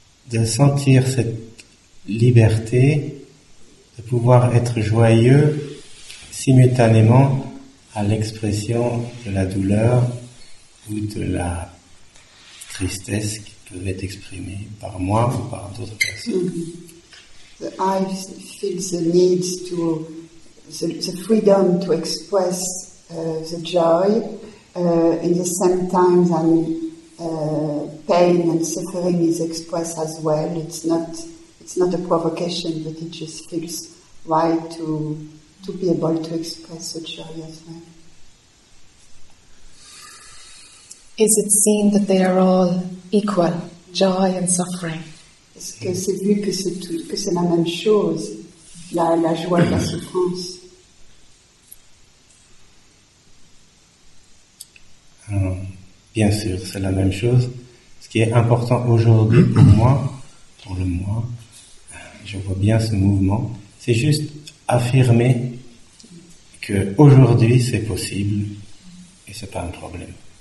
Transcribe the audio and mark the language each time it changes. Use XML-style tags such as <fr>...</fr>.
<fr>de sentir cette liberté, de pouvoir être joyeux simultanément à l'expression de la douleur ou de la tristesse qui peut être exprimée par moi ou par d'autres personnes.</fr> <en>I feel the need to the freedom to express the joy in the same time that pain and suffering is expressed as well. It's not a provocation, but it just feels right to be able to express the joy as well. Is it seen that they are all equal, joy and suffering?</en> <fr>Est-ce que c'est vu que c'est la même chose, la joie et la souffrance? Bien sûr, c'est la même chose. Ce qui est important aujourd'hui pour moi, pour le moi, je vois bien ce mouvement, c'est juste affirmer qu'aujourd'hui c'est possible et ce n'est pas un problème.</fr>